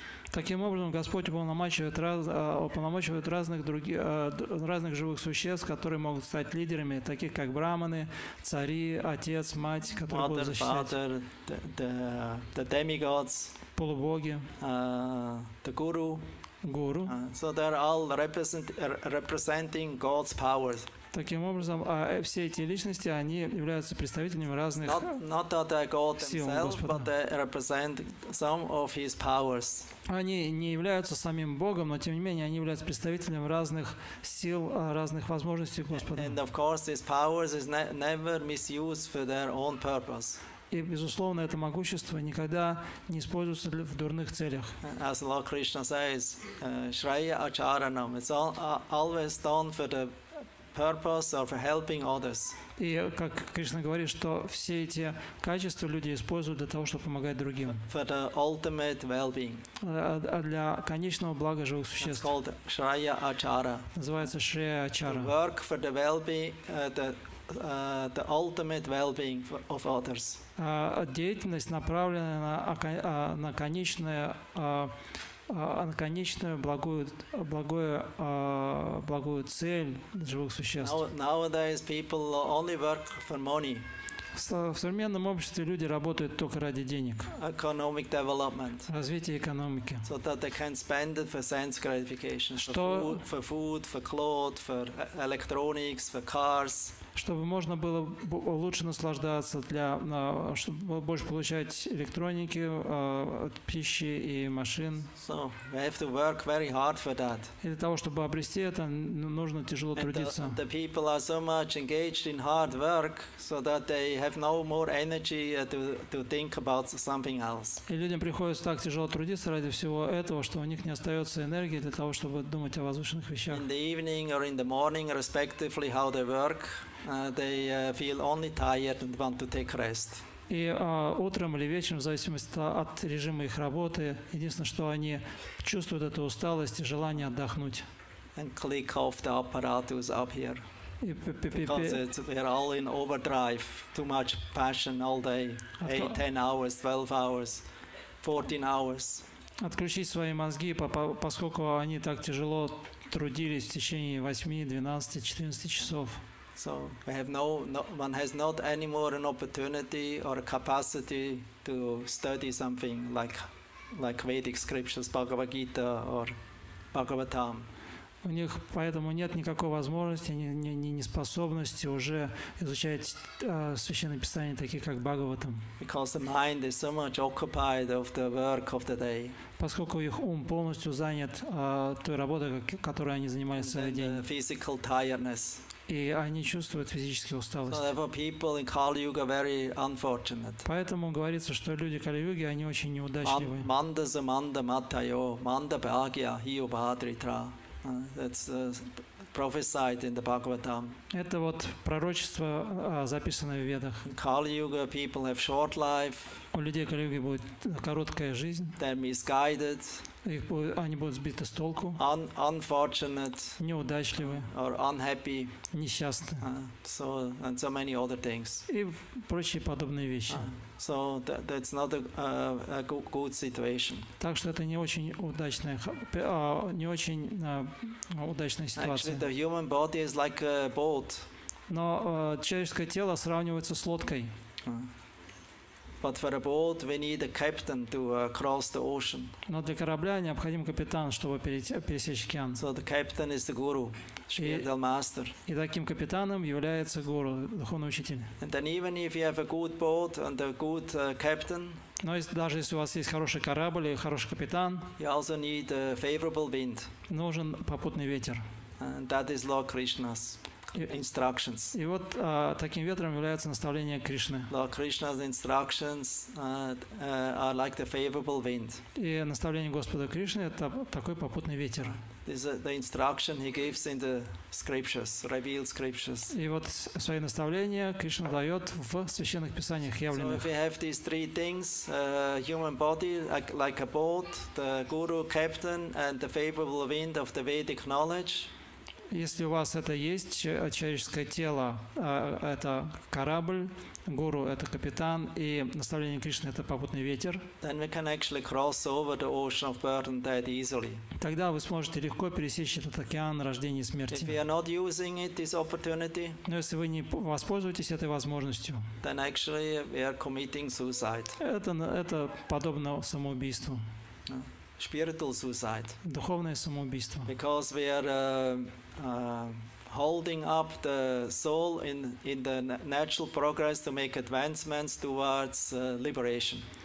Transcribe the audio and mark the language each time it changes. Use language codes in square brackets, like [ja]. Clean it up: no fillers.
[ru] Таким образом, Господь уполномочивает разных живых существ, которые могут стать лидерами, таких как брахманы, цари, отец, мать, которые будут защищать. [en] Father, the demigods, [ru] полубоги, [en] the guru. [ru] Гуру. [en] So they're all representing God's powers. [ru] Таким образом, все эти личности, они являются представителями разных сил Господа. [en] Not that they're God themselves, but they represent some of His powers. [ru] Они не являются самим Богом, но тем не менее они являются представителями разных сил, разных возможностей Господа. [en] And of course, His powers is never misused for their own purpose. [ru] И, безусловно, это могущество никогда не используется в дурных целях. [en] As Lord Krishna says, Shreya Acharanam, it's always done for the purpose of helping others. [ru] И, как Кришна говорит, что все эти качества люди используют для того, чтобы помогать другим. [en] For the ultimate well-being. [ru] Для конечного блага живых существ. [en] It's called Shreya Achara. [ru] Называется Shreya Achara. [en] To work for the well-being, the ultimate well-being of others. [ru] Деятельность, направленная на конечное, на конечную благую цель живых существ. [en] Nowadays people only work for money. [ru] В современном обществе люди работают только ради денег. [en] Economic development. [ru] Развитие экономики. [en] So that they can spend it for sense gratification. For food, for clothes, for electronics, for cars. [ru] чтобы можно было лучше наслаждаться, чтобы больше получать электроники от пищи и машин. [en] So we have to work very hard for that. [ru] И для того, чтобы обрести это, нужно тяжело трудиться. [en] And the people are so much engaged in hard work, so that they have no more energy to think about something else. [ru] И людям приходится так тяжело трудиться ради всего этого, что у них не остается энергии для того, чтобы думать о возвышенных вещах. [en] In the evening or in the morning, respectively, how they work. They feel only tired and want to take rest. [ru] И утром или вечером, в зависимости от режима их работы, единственное, что они чувствуют, это усталость и желание отдохнуть. [en] And click off the apparatus up here. Because we're all in overdrive, too much passion all day, 8-10 hours, 12 hours, 14 hours. [ru] Отключить свои мозги, поскольку они так тяжело трудились в течение 8, 12, 14 часов. [en] So we have no one has not any more an opportunity or a capacity to study something like Vedic scriptures, Bhagavad Gita or Bhagavatam. [ru] У них поэтому нет никакой возможности, ни способности уже изучать священные писания, такие как Бхагаватам. [en] Because the mind is so much occupied of the work of the day. [ru] Поскольку их ум полностью занят той работой, которой они занимаются целый день. [en] The physical tiredness. [ru] И они чувствуют физическую усталость. [en] So people in Kali-Yuga very unfortunate. [ru] Поэтому говорится, что люди Кали-Юги, они очень неудачливы. [sa] Манда за манда матайо, манда бхагья, хио бхадритра. [en] That's prophesied in the Bhagavatam. [ru] Это вот пророчество, записанное в Ведах. [en] In Kali-Yuga people have short life. [ru] У людей Кали-Юги будет короткая жизнь. [en] They're misguided. [ru] Они будут сбиты с толку, [en] unfortunate, [ru] неудачливы, [en] or unhappy, [ru] несчастны, [en] and so many other things. [ru] И прочие подобные вещи. [en] So that's not a good situation. [ru] Так что это не очень удачная ситуация. [en] Actually, the human body is like a boat. [ru] Но человеческое тело сравнивается с лодкой. [en] But for a boat, we need a captain to cross the ocean. [ru] Но для корабля необходим капитан, чтобы пересечь океан. [en] So the captain is the guru, spiritual master. [ru] И таким капитаном является гуру, духовный учитель. [en] And then even if you have a good boat and a good captain. [ru] Но даже если у вас есть хороший корабль и хороший капитан. [en] You also need a favorable wind. [ru] Нужен попутный ветер. [en] And that is Lord Krishna's. Instructions. [ru] И вот таким ветром является наставление Кришны. [en] Lord Krishna's instructions are like the favorable wind. [ru] И наставление Господа Кришны это такой попутный ветер. [en] This is the instruction he gives in the scriptures, revealed scriptures. [ru] И вот свои наставления Кришна дает в священных писаниях явленных. [en] So if we have these three things, human body like a boat, the guru captain, and the favorable wind of the Vedic knowledge. [ru] Если у вас это есть, человеческое тело – это корабль, гуру – это капитан, и наставление Кришны – это попутный ветер, тогда вы сможете легко пересечь этот океан рождения и смерти. [en] If we are not using it, this opportunity, [ru] но если вы не воспользуетесь этой возможностью, [en] then actually we are committing suicide. [ru] Это подобно самоубийству. [en] Spiritual suicide. [ru] Духовное самоубийство. [en] Because we are holding up the soul in the natural progress to make advancements towards liberation.